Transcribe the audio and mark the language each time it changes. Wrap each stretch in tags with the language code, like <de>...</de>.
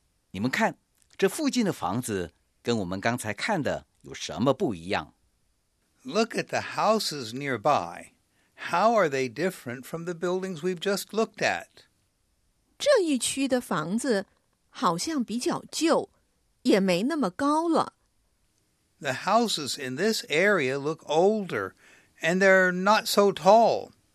<zh>你们看, 这附近的房子跟我们刚才看的有什么不一样?</zh> <en>Look at the houses nearby. How are they different from the buildings we've just looked at?</en> <zh>这一区的房子好像比较旧，也没那么高了。</zh> <en>The houses in this area look older, and they're not so tall.</en>